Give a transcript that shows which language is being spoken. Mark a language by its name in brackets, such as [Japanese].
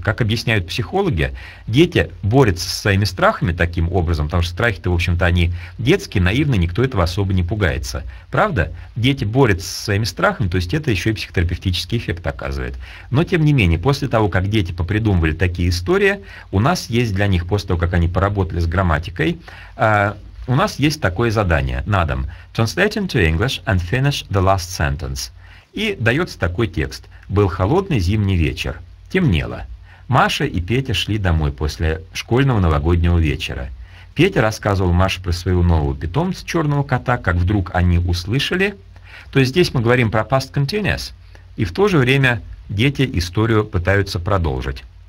[Russian] Как объясняют психологи, дети борются со своими страхами таким образом, потому что страхи-то, в общем-то, они детские, наивные, никто этого особо не пугается. Правда? Дети борются со своими страхами, то есть это еще и психотерапевтический эффект оказывает. Но, тем не менее, после того, как дети попридумывали такие истории, у нас есть для них, после того, как они поработали с грамматикой, у нас есть такое задание на дом. [English] Translate into English and finish the last sentence. [Russian] И дается такой текст. Был холодный зимний вечер. Темнело. Маша и Петя шли домой после школьного новогоднего вечера. Петя рассказывал Маше про своего нового питомца, черного кота, как вдруг они услышали. То есть здесь мы говорим про past continuous, и в то же время дети историю пытаются продолжить.